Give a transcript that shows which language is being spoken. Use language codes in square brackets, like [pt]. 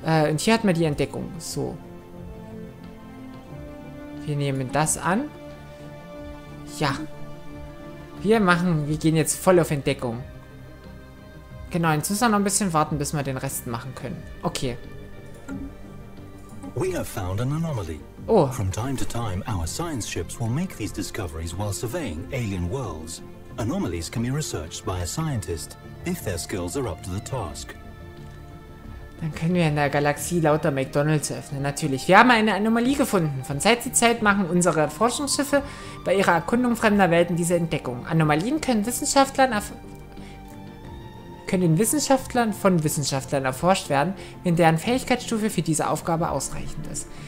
[de] Und hier hat man die Entdeckung. So. Wir nehmen das an. Ja. Wir gehen jetzt voll auf Entdeckung. Genau, jetzt müssen wir noch ein bisschen warten, bis wir den Rest machen können. Okay. [en] We have found an anomaly. Oh. From time to time, our science ships will make these discoveries while surveying alien worlds. Anomalies can be researched by a scientist, if their skills are up to the task. [de] Dann können wir in der Galaxie lauter McDonalds öffnen. Natürlich. Wir haben eine Anomalie gefunden. Von Zeit zu Zeit machen unsere Forschungsschiffe bei ihrer Erkundung fremder Welten diese Entdeckung. Anomalien können von Wissenschaftlern erforscht werden, wenn deren Fähigkeitsstufe für diese Aufgabe ausreichend ist.